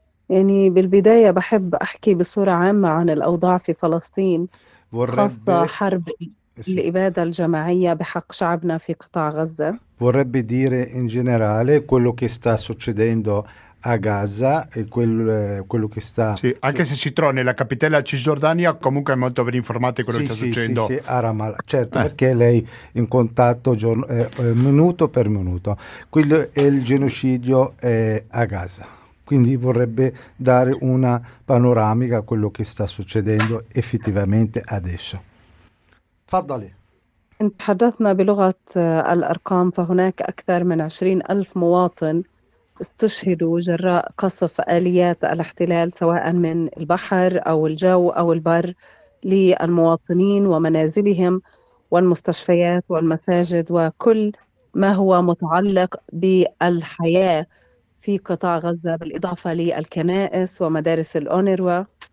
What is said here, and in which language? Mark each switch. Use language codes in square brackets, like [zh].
[ar] يعني بالبداية بحب احكي بصورة عامة عن الاوضاع في فلسطين خاصة حرب الإبادة الجماعية بحق شعبنا في قطاع غزة [it] vorrebbe dire in generale quello che sta succedendo a Gaza e quello che sta... Sì, anche se si trova nella capitale Cisgiordania, comunque è molto ben informata di quello che sta succedendo. Sì, a Ramallah, certo, perché lei è in contatto minuto per minuto. Quello è il genocidio a Gaza. Quindi vorrebbe dare una panoramica a quello che sta succedendo effettivamente adesso. [ar] Tfaddali. تحدثنا بلغة الأرقام فهناك أكثر من 20,000 مواطن استشهدوا جراء قصف آليات الاحتلال سواء من البحر أو الجو أو البر للمواطنين ومنازلهم والمستشفيات والمساجد وكل ما هو متعلق بالحياة في قطاع غزة بالإضافة للكنائس ومدارس الأونروا